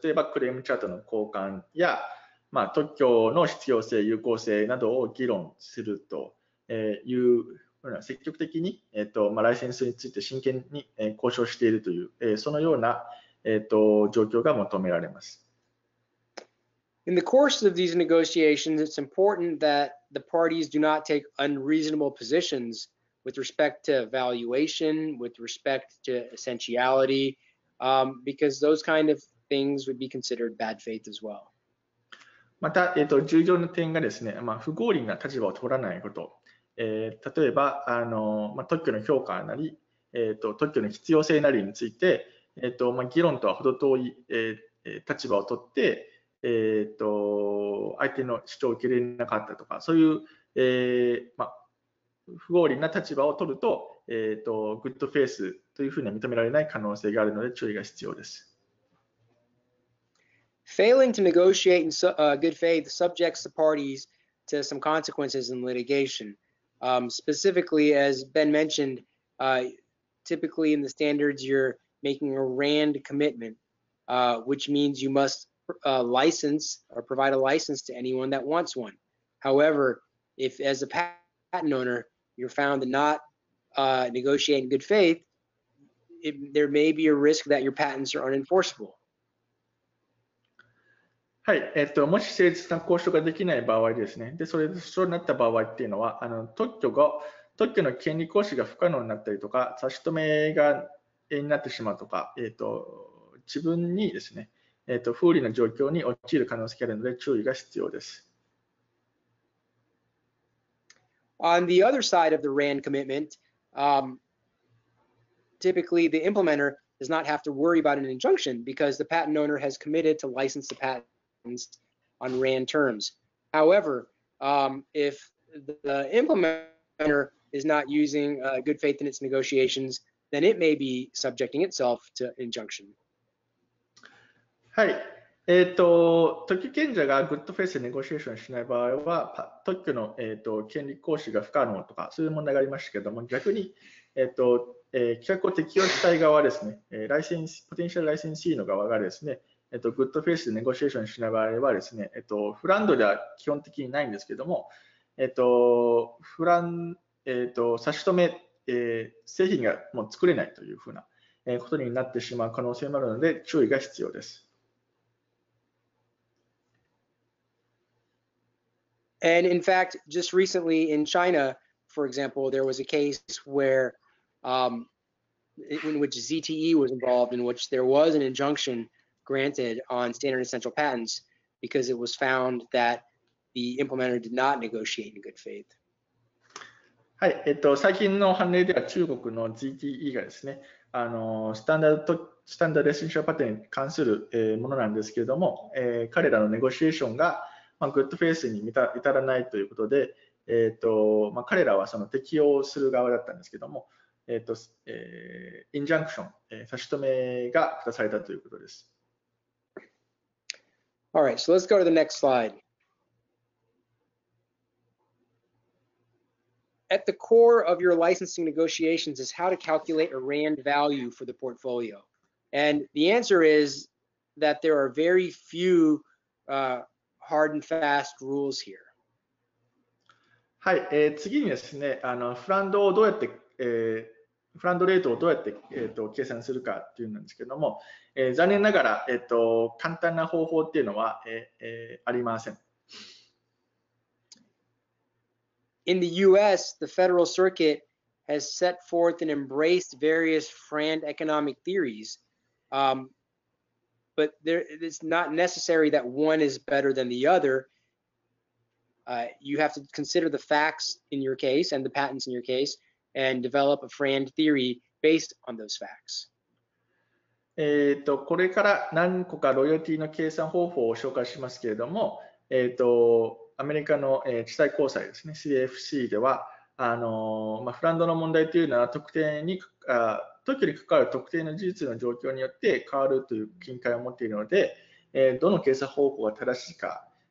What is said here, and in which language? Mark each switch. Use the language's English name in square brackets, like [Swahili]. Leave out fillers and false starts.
[Japanese] 例えば、クレームチャートの交換や、特許の必要性、有効性などを議論すると、いう、積極的に、ライセンスについて真剣に、交渉しているという、そのような、状況が求められます。 [English] In the course of these negotiations, it's important that the parties do not take unreasonable positions with respect to valuation, with respect to essentiality, because those kind of things would be considered bad faith as well. [Japanese] また、重要な点がですね、不合理な立場を取らないこと、例えば、特許の評価なり、特許の必要性なりについて、議論とは程遠い、立場を取って、相手の主張を受け入れなかったとか、そういう、不合理な立場を取ると、グッドフェイスというふうには認められない可能性があるので注意が必要です。 [English] Failing to negotiate in good faith subjects the parties to some consequences in litigation. Specifically, as Ben mentioned, typically in the standards, you're making a RAND commitment, which means you must license or provide a license to anyone that wants one. However, if as a patent owner, you're found not negotiating good faith, there may be a risk that your patents are unenforceable. [Japanese] はい、もし誠実な交渉ができない場合ですね、でそれでそうなった場合っていうのは、特許の権利行使が不可能になったりとか、差し止めがになってしまうとか、自分にですね、不利な状況に陥る可能性があるので注意が必要です。 [English] On the other side of the RAND commitment, typically the implementer does not have to worry about an injunction because the patent owner has committed to license the patent. On RAND terms. However, if the implementer is not using good faith in its negotiations, then it may be subjecting itself to injunction. [Japanese] はい。特許権者がグッドフェイスでネゴシエーションしない場合は、特許の、権利行使が不可能とか、そういう問題がありましたけども、逆に、規約を適用したい側はですね、ポテンシャルライセンシーの側がですね、グッドフェイスでネゴシエーションしない場合はですね、フランドでは基本的にないんですけども、差し止め、製品がもう作れないというふうなことになってしまう可能性もあるので注意が必要です。 [English] And in fact, just recently in China, for example, there was a case where, in which ZTE was involved, in which there was an injunction. Granted on standard essential patents because it was found that the implementer did not negotiate in good faith. [Japanese] はい、最近の判例では中国の ZTE がですね、スタンダードエッセンシャルパテンに関する、ものなんですけれども、彼らのネゴシエーションが、グッドフェイスに至らないということで、彼らはその適用する側だったんですけれども、インジャンクション、差し止めが下されたということです。 [English] All right, so let's go to the next slide. At the core of your licensing negotiations is how to calculate a RAND value for the portfolio. And the answer is that there are very few hard and fast rules here. [Japanese] はい、次にですね、フランドをどうやって、フランドレートをどうやって、計算するかっていうのなんですけども、残念ながら、簡単な方法っていうのは、ありません。 [English] In the US, the Federal Circuit has set forth and embraced various FRAND economic theories, but it's not necessary that one is better than the other. You have to consider the facts in your case and the patents in your case. And develop a FRAND theory based on those facts. [Japanese] これから何個かロイヤリティの計算方法を紹介しますけれども、アメリカの地裁高裁ですね、CFC では、フランドの問題というのは特許に関わる特定の事実の状況によって変わるという見解を持っているので、どの計算方法が正しいか。